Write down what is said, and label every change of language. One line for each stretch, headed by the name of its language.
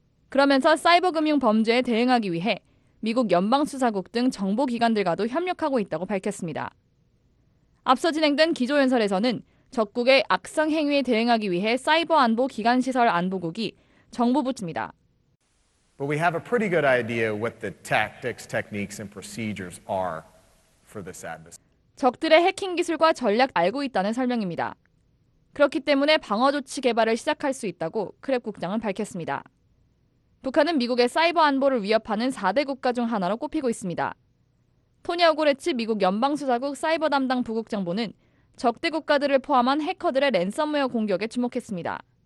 Korean: 그러면서 사이버 금융 범죄에 대응하기 위해 미국 연방수사국 등 정보기관들과도 협력하고 있다고 밝혔습니다. 앞서 진행된 기조연설에서는 적국의 악성 행위에 대응하기 위해 사이버 안보 기관 시설 안보국이 정보 부츠입니다.
English: But we have a pretty good idea what the tactics, techniques and procedures are for this adversary.
Korean: 적들의 해킹 기술과 전략 알고 있다는 설명입니다. 그렇기 때문에 방어 조치 개발을 시작할 수 있다고 크랩 국장은 밝혔습니다. 북한은 미국의 사이버 안보를 위협하는 4대 국가 중 하나로 꼽히고 있습니다. 토니 오고레치 미국 연방수사국 사이버 담당 부국장보는 적대 국가들을 포함한 해커들의 랜섬웨어 공격에 주목했습니다.